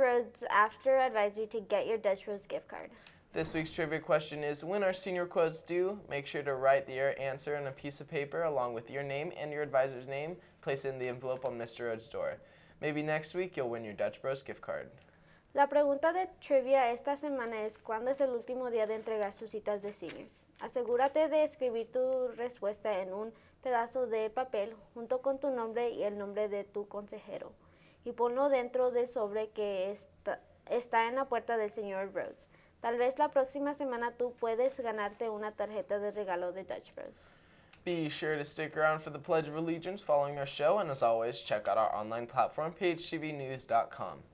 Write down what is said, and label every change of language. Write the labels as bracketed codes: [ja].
[en] Rhodes after advisory to get your Dutch Rose gift card. This week's trivia question is, when are senior quotes due? Make sure to write your answer on a piece of paper along with your name and your advisor's name. Place it in the envelope on Mr. Rhodes' door. Maybe next week you'll win your Dutch Bros gift card. [es] La pregunta de trivia esta semana es, ¿cuándo es el último día de entregar sus citas de seniors? Asegúrate de escribir tu respuesta en un pedazo de papel junto con tu nombre y el nombre de tu consejero. Y ponlo dentro del sobre que está en la puerta del señor Rhodes. Tal vez la próxima semana tú puedes ganarte una tarjeta de regalo de Dutch Bros. [en] Be sure to stick around for the Pledge of Allegiance following our show, and as always, check out our online platform, phtvnews.com.